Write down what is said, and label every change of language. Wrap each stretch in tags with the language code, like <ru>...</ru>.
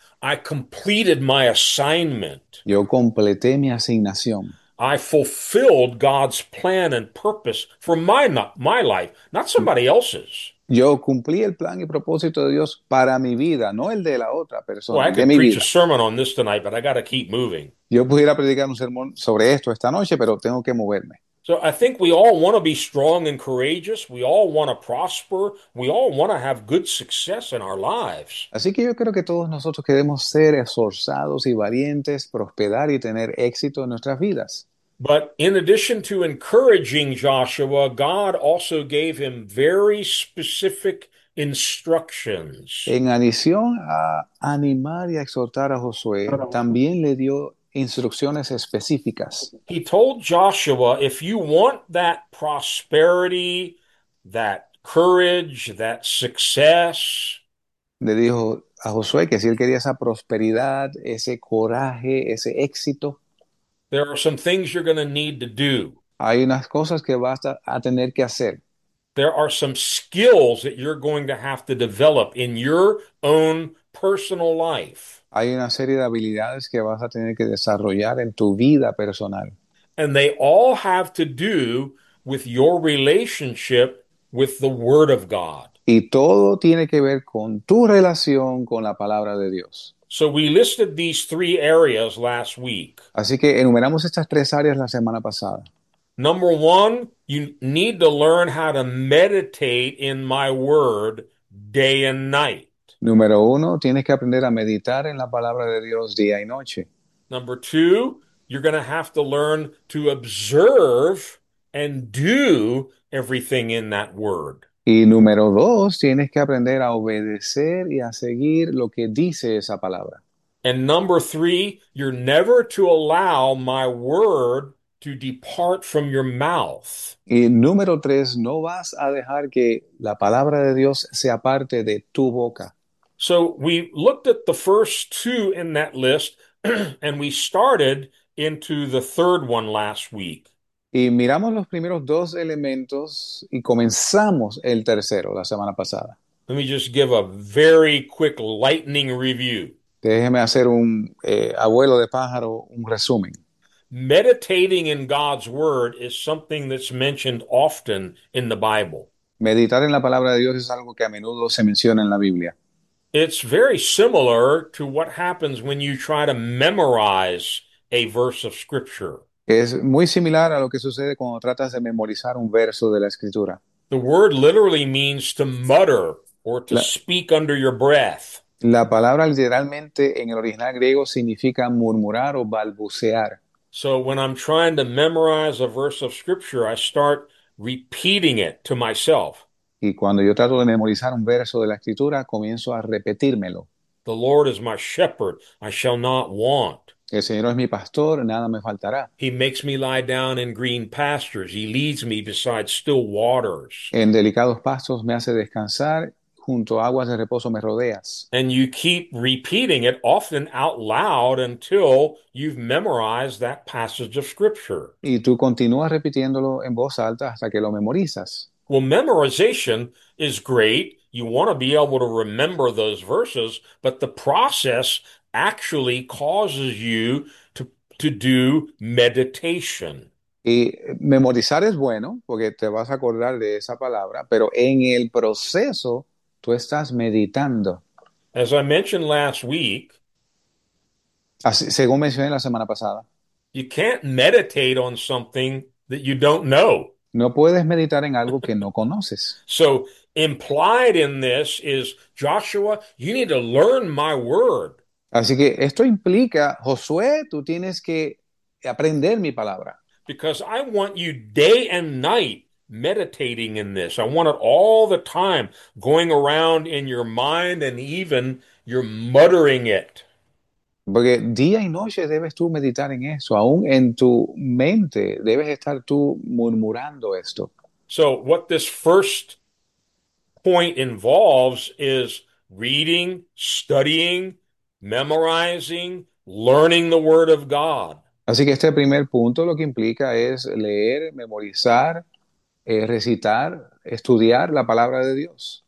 <en>I completed my assignment.</en> <es>Yo completé mi asignación.</es> <en>I fulfilled God's plan and purpose for my life, not somebody else's.</en> <es>Yo cumplí el plan y propósito de Dios para mi vida, no el de la otra</es> <en>Well,</en> <es>persona,</es> <en>I</en> <es>el de</es> <en>could</en> <es>mi</es> <en>preach a</en> <es>vida.</es> <en>sermon on this tonight, but I got to keep moving.</en> <es>Yo pudiera predicar un sermón sobre esto esta noche, pero tengo que moverme.</es> <en>So I think we all want to be strong and courageous. We all want to prosper. We all want to have good success in our lives.</en> <es>Así que yo creo que todos nosotros queremos ser esforzados y valientes, prosperar y tener éxito en nuestras vidas.</es> <en>But in addition to encouraging Joshua, God also gave him very specific instructions.</en> <es>En adición a animar y a exhortar a Josué, también le dio instrucciones específicas.</es> <en>He told Joshua, if you want that prosperity, that courage, that success,</en> <es>Le dijo a Josué que si él quería esa prosperidad, ese coraje, ese éxito,</es> <en>there are some things you're going to need to do.</en> <es>hay unas cosas que vas a tener que hacer.</es> <en>There are some skills that you're going to have to develop in your own personal life.</en> <es>Hay una serie de habilidades que vas a tener que desarrollar en tu vida personal.</es> <en>And they all have to do with your relationship with the Word of God.</en> <es>Y todo tiene que ver con tu relación con la palabra de Dios.</es> <en>So we listed these three areas last week.</en> <es>Así que enumeramos estas tres áreas la semana pasada.</es> <en>Number one, you need to learn how to meditate in my word day and night.</en> <es>Número uno, tienes que aprender a meditar en la palabra de Dios día y noche.</es> <en>Number two, you're going to have to learn to observe and do everything in that word.</en> <es>Y número dos, tienes que aprender a obedecer y a seguir lo que dice esa palabra.</es> <en>And number three, you're never to allow my word to depart from your mouth.</en> <es>Y número tres, no vas a dejar que la palabra de Dios sea parte de tu boca.</es> <en>So we looked at the first two in that list, and we started into the third one last week.</en> <es>Y miramos los primeros dos elementos y comenzamos el tercero la semana pasada.</es> <en>Let me just give a very quick lightning review.</en> <es>Déjeme hacer un vuelo de pájaro, un resumen.</es> <en>Meditating in God's word is something that's mentioned often in the Bible.</en> <es>Meditar en la palabra de Dios es algo que a menudo se menciona en la Biblia.</es> <en>It's very similar to what happens when you try to memorize a verse of scripture.</en> <es>Es muy similar a lo que sucede cuando tratas de memorizar un verso de la escritura.</es> <en>The word literally means to mutter or to speak under your breath.</en> <es>La palabra literalmente en el original griego significa murmurar o balbucear.</es> <en>So when I'm trying to memorize a verse of scripture, I start repeating it to myself.</en> <es>Y cuando yo trato de memorizar un verso de la escritura, comienzo a repetírmelo.</es> <en>The Lord is my shepherd, I shall not want.</en> <es>El Señor es mi pastor, nada me faltará.</es> <en>He makes me lie down in green pastures, he leads me beside still waters.</en> <es>En delicados pastos me hace descansar, junto a aguas de reposo me rodeas.</es> <en>And you keep repeating it often out loud until you've memorized that passage of scripture.</en> <es>Y tú continúas repitiéndolo en voz alta hasta que lo memorizas.</es> <en>Well, memorization is great. You want to be able to remember those verses, but the process actually causes you to do meditation.</en> <es>Y memorizar es bueno porque te vas a acordar de esa palabra, pero en el proceso tú estás meditando.</es> <en>As I mentioned last week,</en> <es>Así, según mencioné la semana pasada.</es> <en>you can't meditate on something that you don't know.</en> <es>No puedes meditar en algo que no conoces.</es> <en>So implied in this is, Joshua, you need to learn my word.</en> <es>Así que esto implica, Josué, tú tienes que aprender mi palabra.</es> <en>Because I want you day and night meditating in this. I want it all the time going around in your mind and even you're muttering it.</en> <es>Porque día y noche debes tú meditar en eso, aún en tu mente debes estar tú murmurando esto. So what this first point involves is reading, studying, memorizing, learning the word of God. Así que este primer punto lo que implica es leer, memorizar, recitar, estudiar la palabra de Dios.</es>